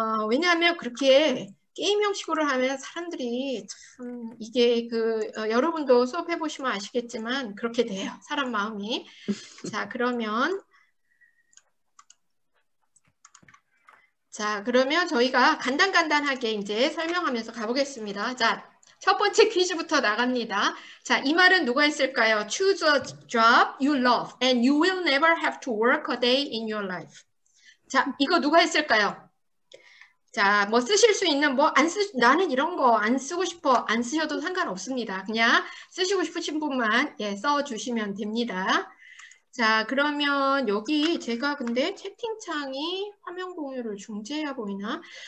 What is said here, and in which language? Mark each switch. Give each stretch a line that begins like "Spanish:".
Korean: 왜냐하면 그렇게 게임 형식으로 하면 사람들이 참 이게 여러분도 수업해 보시면 아시겠지만 그렇게 돼요. 사람 마음이. 자, 그러면 저희가 간단간단하게 이제 설명하면서 가보겠습니다. 자, 첫 번째 퀴즈부터 나갑니다. 자, 이 말은 누가 했을까요?
English: Choose a job you love and you will never have to work a day in your life.
Korean: 자, 이거 누가 했을까요? 자, 뭐 쓰실 수 있는 뭐안 쓰, 나는 이런 거안 쓰고 싶어. 안 쓰셔도 상관없습니다. 그냥 쓰시고 싶으신 분만 예, 써 주시면 됩니다. 자, 그러면 여기 제가 근데 채팅창이 화면 공유를 중지해야 보이나?